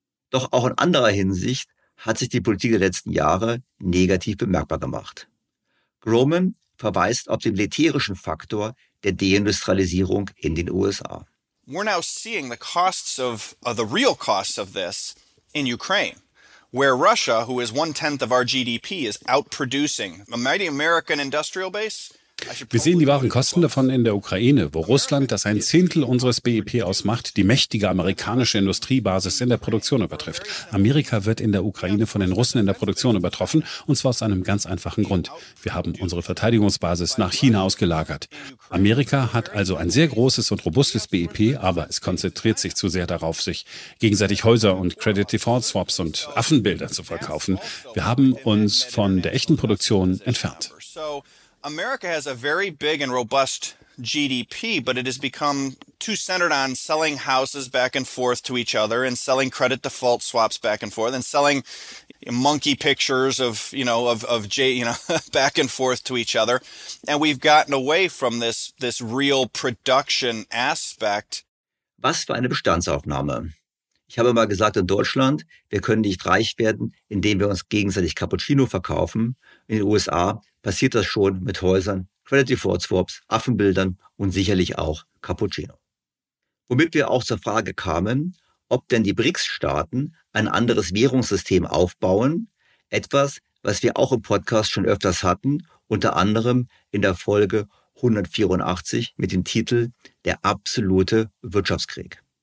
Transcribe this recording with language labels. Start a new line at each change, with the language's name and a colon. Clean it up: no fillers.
German: Doch auch in anderer Hinsicht hat sich die Politik der letzten Jahre negativ bemerkbar gemacht. Grohman verweist auf den militärischen Faktor der Deindustrialisierung in den USA. Wir sehen jetzt die Kosten, die realen Kosten von diesem in Ukraine.
English: Where Russia, who is 1/10 of our GDP, is outproducing a mighty American industrial base.
German: Wir sehen die wahren Kosten davon in der Ukraine, wo Russland, das 1/10 unseres BIP ausmacht, die mächtige amerikanische Industriebasis in der Produktion übertrifft. Amerika wird in der Ukraine von den Russen in der Produktion übertroffen, und zwar aus einem ganz einfachen Grund. Wir haben unsere Verteidigungsbasis nach China ausgelagert. Amerika hat also ein sehr großes und robustes BIP, aber es konzentriert sich zu sehr darauf, sich gegenseitig Häuser und Credit Default Swaps und Affenbilder zu verkaufen. Wir haben uns von der echten Produktion entfernt.
English: America has a very big and robust GDP, but it has become too centered on selling houses back and forth to each other and selling credit default swaps back and forth and selling monkey pictures of, you know, back and forth to each other. And we've gotten away from this real production aspect.
German: Was für eine Bestandsaufnahme. Ich habe mal gesagt, in Deutschland, wir können nicht reich werden, indem wir uns gegenseitig Cappuccino verkaufen. In den USA passiert das schon mit Häusern, Credit Default Swaps, Affenbildern und sicherlich auch Cappuccino. Womit wir auch zur Frage kamen, ob denn die BRICS-Staaten ein anderes Währungssystem aufbauen, etwas, was wir auch im Podcast schon öfters hatten, unter anderem in der Folge 184 mit dem Titel »Der absolute Wirtschaftskrieg«.